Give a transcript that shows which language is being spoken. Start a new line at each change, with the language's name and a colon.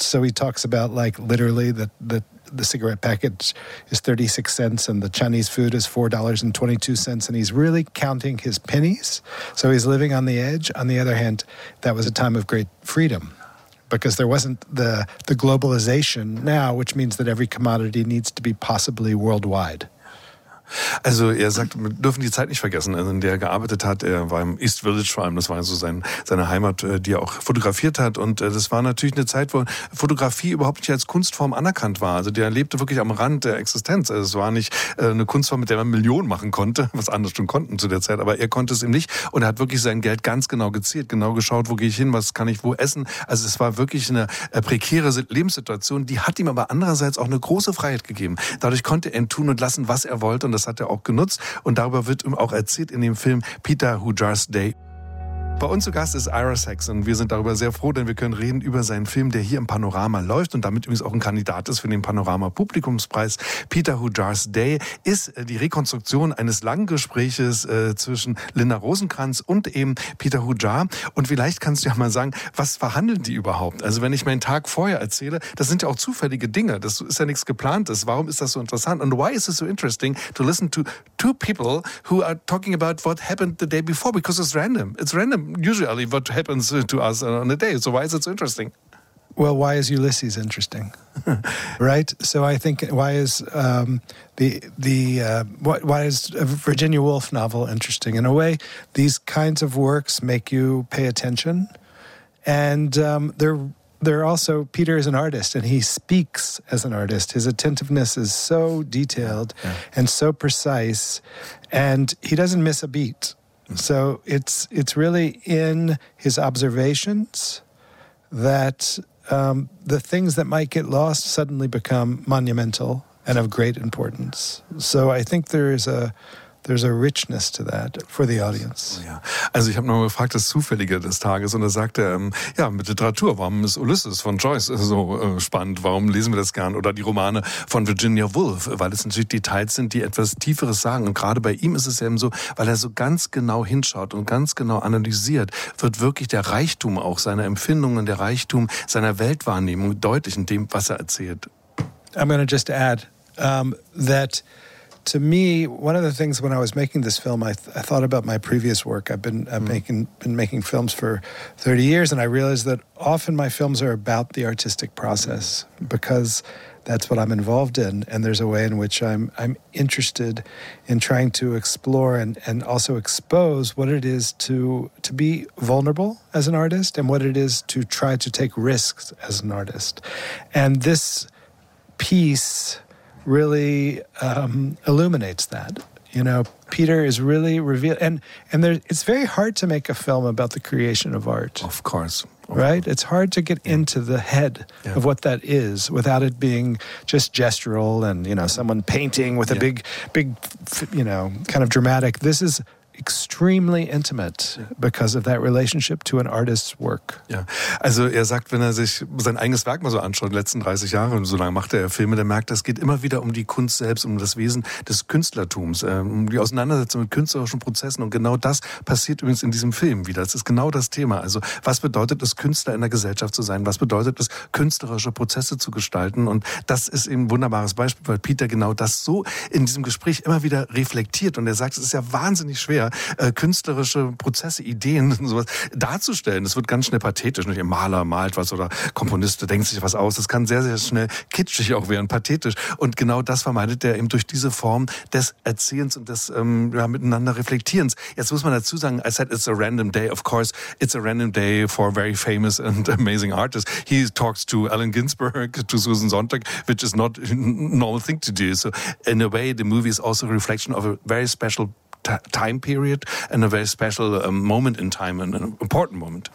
English: So he talks about, like, literally the cigarette package is 36 cents and the Chinese food is $4.22, and he's really counting his pennies. So he's living on the edge. On the other hand, that was a time of great freedom, because there wasn't the globalization now, which means that every commodity needs to be possibly worldwide.
German: Also er sagt, wir dürfen die Zeit nicht vergessen, in der er gearbeitet hat. Er war im East Village vor allem, das war so seine Heimat, die er auch fotografiert hat. Und das war natürlich eine Zeit, wo Fotografie überhaupt nicht als Kunstform anerkannt war. Also der lebte wirklich am Rand der Existenz. Also es war nicht eine Kunstform, mit der man Millionen machen konnte, was andere schon konnten zu der Zeit. Aber er konnte es eben nicht. Und er hat wirklich sein Geld ganz genau gezählt, genau geschaut, wo gehe ich hin, was kann ich wo essen. Also es war wirklich eine prekäre Lebenssituation. Die hat ihm aber andererseits auch eine große Freiheit gegeben. Dadurch konnte er tun und lassen, was er wollte. Und das hat er auch genutzt. Und darüber wird ihm auch erzählt in dem Film Peter Hujar's Day. Bei uns zu Gast ist Ira Sachs und wir sind darüber sehr froh, denn wir können reden über seinen Film, der hier im Panorama läuft und damit übrigens auch ein Kandidat ist für den Panorama-Publikumspreis. Peter Hujar's Day ist die Rekonstruktion eines langen Gespräches zwischen Linda Rosenkranz und eben Peter Hujar. Und vielleicht kannst du ja mal sagen, was verhandeln die überhaupt? Also wenn ich meinen Tag vorher erzähle, das sind ja auch zufällige Dinge, das ist ja nichts Geplantes. Warum ist das so interessant?
English: And why is it so interesting to listen to two people who are talking about what happened the day before? Because it's random. It's random. Usually what happens to us on a day. So why is it so interesting? Well, why is Ulysses interesting? Right? So I think, why is why is a Virginia Woolf novel interesting? In a way, these kinds of works make you pay attention. And they're also, Peter is an artist and he speaks as an artist. His attentiveness is so detailed and so precise. And he doesn't miss a beat. So it's really in his observations that the things that might get lost suddenly become monumental and of great importance. So I think there's a richness to that for the audience.
German: Ja. Also ich habe noch mal gefragt, das Zufällige des Tages, und er sagte, ja, mit Literatur, warum ist Ulysses von Joyce so spannend, warum lesen wir das gern, oder die Romane von Virginia Woolf, weil es natürlich Details sind, die etwas Tieferes sagen, und gerade bei ihm ist es eben so, weil er so ganz genau hinschaut und ganz genau analysiert, wird wirklich der Reichtum auch seiner Empfindungen, der Reichtum seiner Weltwahrnehmung deutlich in dem, was er erzählt.
English: I'm going to just add that to me, one of the things when I was making this film, I thought about my previous work. I've been making films for 30 years, and I realized that often my films are about the artistic process because that's what I'm involved in. And there's a way in which I'm interested in trying to explore and also expose what it is to be vulnerable as an artist and what it is to try to take risks as an artist. And this piece really illuminates that. You know, Peter is really revealed. And there, it's very hard to make a film about the creation of art. Of course. Right? It's hard to get into the head of what that is without it being just gestural and, you know, someone painting with a big, you know, kind of dramatic. This is extremely intimate because of that relationship to an artist's work.
German: Ja, also er sagt, wenn er sich sein eigenes Werk mal so anschaut, in den letzten 30 Jahren, so lange macht er Filme, der merkt, es geht immer wieder um die Kunst selbst, um das Wesen des Künstlertums, um die Auseinandersetzung mit künstlerischen Prozessen. Und genau das passiert übrigens in diesem Film wieder. Das ist genau das Thema. Also was bedeutet es, Künstler in der Gesellschaft zu sein? Was bedeutet es, künstlerische Prozesse zu gestalten? Und das ist eben ein wunderbares Beispiel, weil Peter genau das so in diesem Gespräch immer wieder reflektiert. Und er sagt, es ist ja wahnsinnig schwer, künstlerische Prozesse, Ideen und sowas darzustellen. Das wird ganz schnell pathetisch. Nicht? Ein Maler malt was oder Komponist denkt sich was aus. Das kann sehr, sehr schnell kitschig auch werden, pathetisch. Und genau das vermeidet er eben durch diese Form des Erzählens und des miteinander Reflektierens.
English: Jetzt muss man dazu sagen, I said it's a random day. Of course, it's a random day for a very famous and amazing artist. He talks to Allen Ginsberg, to Susan Sontag, which is not a normal thing to do. So in a way, the movie is also a reflection of a very special time period and a very special moment in time and an important moment.